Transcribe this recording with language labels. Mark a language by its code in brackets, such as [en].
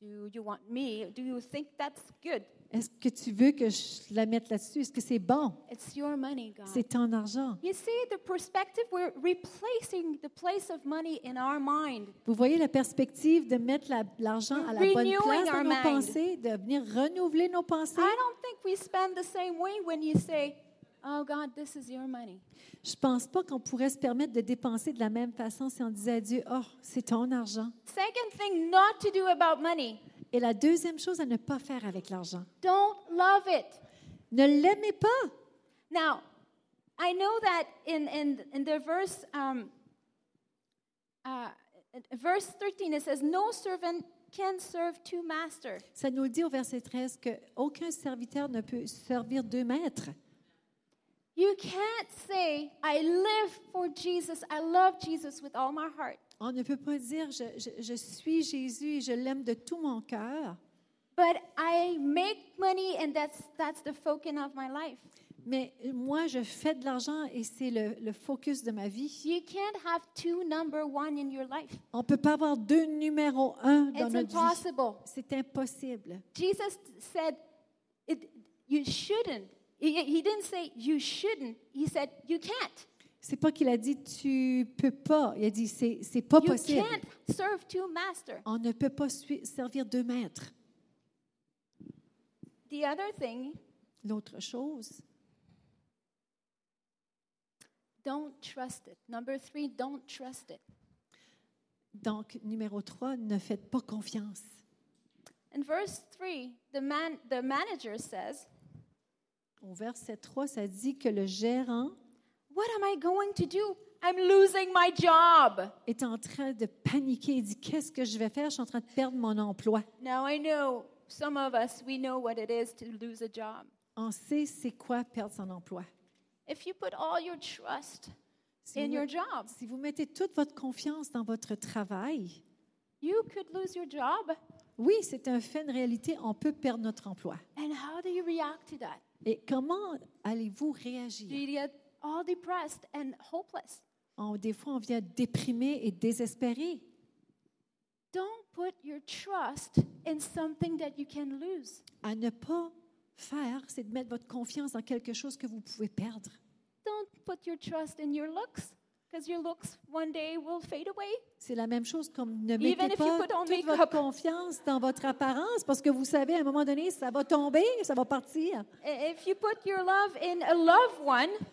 [en] Do you think that's good? [fr] Est-ce que tu veux que je la mette là-dessus? Est-ce que c'est bon? [en] It's your money, God. [fr] C'est ton argent. [en] You see the perspective we're replacing the place of money in our mind. [fr] Vous voyez la perspective de mettre l'argent à la [en] Renewing [fr] bonne place dans [en] our [fr] nos [en] mind. [fr] Pensées, de venir renouveler nos pensées. [en] I don't think we spend the same way when you say, "Oh God, this is your money." [fr] Je pense pas qu'on pourrait se permettre de dépenser de la même façon si on disait à Dieu, "Oh, c'est ton argent." [en] Second thing not to do about money. [fr] Et la deuxième chose à ne pas faire avec l'argent. [en] Don't love it. [fr] Ne l'aimez pas. [en] Now, I know that in the verse 13 it says no servant can serve two masters. [fr] Ça nous dit au verset 13 que aucun serviteur ne peut servir deux maîtres. [en] You can't say I live for Jesus, I love Jesus with all my heart. [fr] On ne peut pas dire je suis Jésus et je l'aime de tout mon cœur. [en] But I make money and that's the focus of my life. [fr] Mais moi je fais de l'argent et c'est le focus de ma vie. [en] You can't have two number one in your life. [fr] On peut pas avoir deux numéro un dans [en] It's [fr] notre [en] impossible. [fr] Vie. C'est impossible. [en] Jesus said it, you shouldn't. He didn't say you shouldn't. He said you can't. [fr] C'est pas qu'il a dit tu peux pas, il a dit c'est pas possible. [en] You can't serve two masters. [fr] On ne peut pas servir deux maîtres. [en] The other thing, [fr] l'autre chose. [en] Don't trust it. Number three, don't trust it. [fr] Donc numéro 3, ne faites pas confiance. [en] In verse 3, the manager says, [fr] au verset 3, ça dit que le gérant [en] What am I going to do? I'm losing my job. [fr] Est en train de paniquer. Il dit, qu'est-ce que je vais faire? Je suis en train de perdre mon emploi. [en] Now I know some of us, we know what it is to lose a job. [fr] On sait c'est quoi perdre son emploi. [en] If you put all your trust [fr] si [en] in your job. [fr] Si vous mettez toute votre confiance dans votre travail. [en] You could lose your job. [fr] Oui, c'est un fait, une réalité, on peut perdre notre emploi. [en] And how do you react to that? [fr] Et comment allez-vous réagir? [en] Do you get all depressed and hopeless? [fr] Des fois, on vient déprimé et désespéré. [en] Don't put your trust in something that you can lose. [fr] À ne pas faire, c'est de mettre votre confiance dans quelque chose que vous pouvez perdre. [en] Don't put your trust in your looks, because your looks one day will fade away. [fr] C'est la même chose comme ne mettez pas toute votre confiance dans votre apparence, parce que vous savez, à un moment donné, ça va tomber, ça va partir. [en] If you put your love in a loved one,